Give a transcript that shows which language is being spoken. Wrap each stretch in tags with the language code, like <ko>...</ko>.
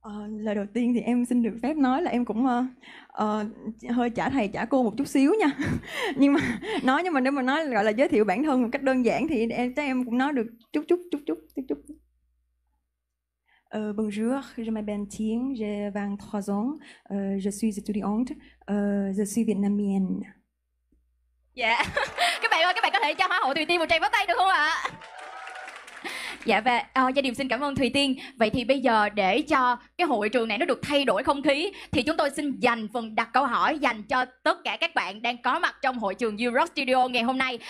<vi>Lời đầu tiên thì em xin được phép nói là em cũng hơi trả thầy trả cô một chút xíu nha. nhưng mà nếu mà nói gọi là giới thiệu bản thân một cách đơn giản thì em cũng nói được chút.</vi> <fr>Bonjour, je m'appelle Thiên, j'ai 23 ans, je suis étudiante, je suis vietnamienne.</fr> <en>Yeah.</en> <vi>Các bạn ơi, các bạn có thể cho Hoa hậu Thùy Tiên một tràng pháo tay được không ạ? Dạ và gia đình xin cảm ơn Thùy Tiên. Vậy thì bây giờ để cho cái hội trường này nó được thay đổi không khí thì chúng tôi xin dành phần đặt câu hỏi dành cho tất cả các bạn đang có mặt trong hội trường Euros Studio ngày hôm nay.</vi>